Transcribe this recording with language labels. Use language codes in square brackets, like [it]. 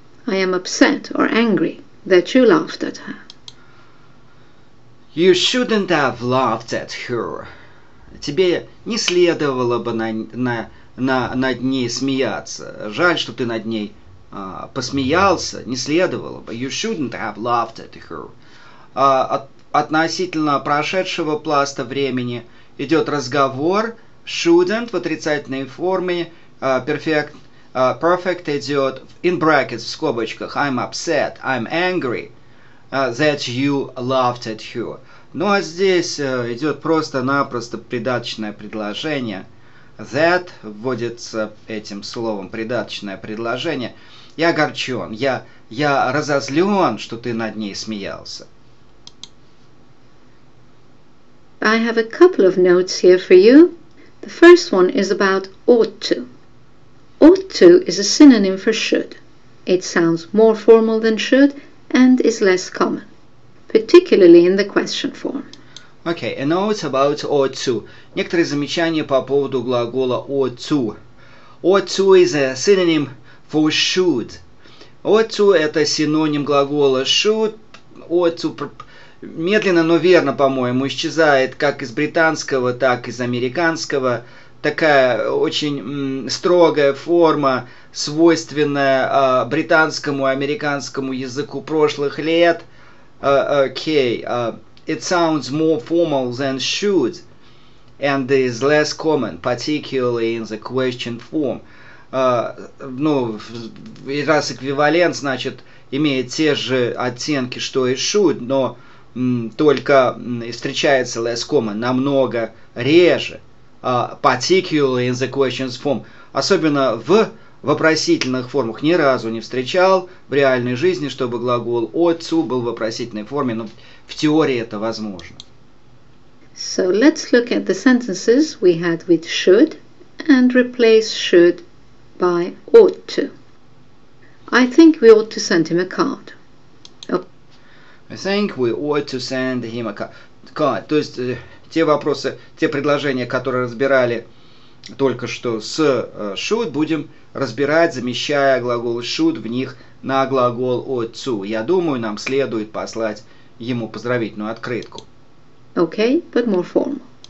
[en] I am upset or angry that you laughed at her. You shouldn't have laughed at her. [ru] Тебе не следовало бы над ней смеяться. Жаль, что ты над ней посмеялся. Не следовало бы. [en] You shouldn't have laughed at her. [ru] Относительно прошедшего пласта времени идет разговор. Shouldn't в отрицательной форме. Perfect, Perfect идет [en] in brackets, [ru] в скобочках. [en] I'm upset, I'm angry that you laughed at her. [ru] Ну а здесь идет просто-напросто придаточное предложение. That вводится этим словом, придаточное предложение. Я огорчен, я разозлен, что ты над ней смеялся. [en] I have a couple of notes here for you. The first one is about ought to. Ought to is a synonym for should. It sounds more formal than should and is less common, particularly in the question form. Okay, a note about ought to. [ru] Некоторые замечания по поводу глагола ought to. [en] Ought to is a synonym for should. Ought to – [ru] это синоним глагола [en] should. [ru] Ought to – медленно, но верно, по-моему, исчезает как из британского, так и из американского. Такая очень строгая форма, свойственная британскому и американскому языку прошлых лет. [en] Okay. It sounds more formal than should and is less common, particularly in the question form. [ru] Ну, раз эквивалент, значит, имеет те же оттенки, что и should, но только встречается [en] less common, [ru] намного реже. [en] Particularly in the questions form. [ru] Особенно в вопросительных формах. Ни разу не встречал в реальной жизни, чтобы глагол ought to был в вопросительной форме. Но в теории это возможно. [en] So let's look at the sentences we had with should and replace should by ought to. I think we ought to send him a card. Oh. I think we ought to send him a card. [ru] То есть... Те вопросы, те предложения, которые разбирали только что с should, будем разбирать, замещая глагол should в них на глагол ought to. Я думаю, нам следует послать ему поздравительную открытку. [en] Okay, but more formal.